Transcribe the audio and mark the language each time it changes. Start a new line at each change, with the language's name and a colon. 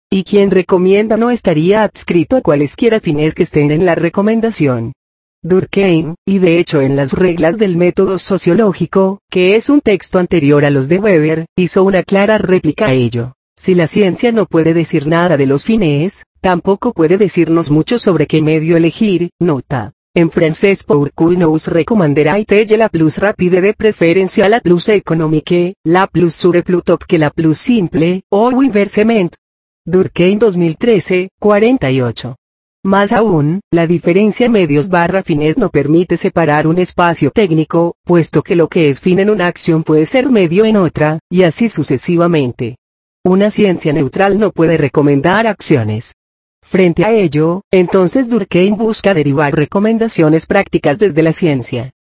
Spanish: Y quien recomienda no estaría adscrito a cualesquiera fines que estén en la recomendación. Durkheim, y de hecho en las reglas del método sociológico, que es un texto anterior a los de Weber, hizo una clara réplica a ello. Si la ciencia no puede decir nada de los fines, tampoco puede decirnos mucho sobre qué medio elegir, nota. En francés
French: pourquoi nous recommanderait-elle la plus rapide
Spanish: de preferencia a
French: la plus économique, la plus sûre plutôt que la plus simple, o inversement.
Spanish: Durkheim 2013, 48. Más aún, la diferencia medios barra fines no permite separar un espacio técnico, puesto que lo que es fin en una acción puede ser medio en otra, y así sucesivamente. Una ciencia neutral no puede recomendar acciones. Frente a ello, entonces Durkheim busca derivar recomendaciones prácticas desde la ciencia.